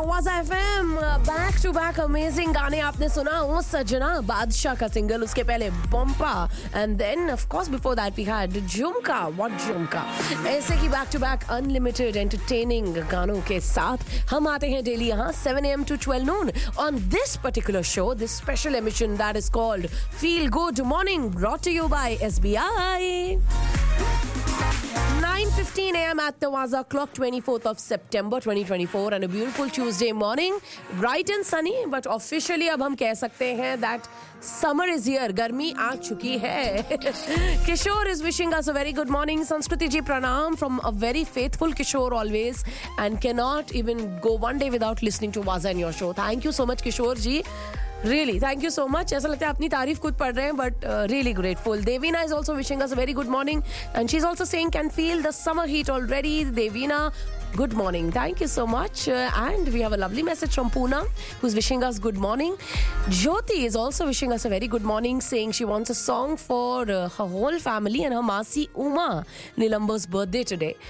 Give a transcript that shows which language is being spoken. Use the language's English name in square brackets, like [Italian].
[English] amazing [Hindi] गाने आपने सुना [English] वो सजना बादशाह का सिंगल उसके पहले बम्पा and then of course before that we had Jhumka what Jhumka ऐसे की back to back unlimited entertaining गानों के साथ हम आते हैं डेली यहां 7 AM to 12 noon on this particular show this special emission that is called feel good morning brought to you by SBI 9:15 a.m. at the Waza clock, 24th of September 2024 and a beautiful Tuesday morning. Bright and sunny, but officially [Hindi] ab hum keh sakte hain [English] that summer is here. [Hindi] Garmi aa chuki hai. [English] Kishore is wishing us a very good morning. Sanskriti ji pranam from a very faithful Kishore always and cannot even go one day without listening to Waza and your show. Thank you so much, Kishore ji. Really, thank you so much. [Hindi] ऐसा लगता है अपनी तारीफ खुद पढ़ रहे हैं [English] but really grateful. Devina is also wishing us a very good morning and she's also saying can feel the summer heat already. Devina, Good morning. Thank you so much. And we have a lovely message from Poona, who's wishing us good morning. Jyoti is also wishing us a very good morning, saying she wants a song for her whole family and her Masi Uma Nilambar's birthday today.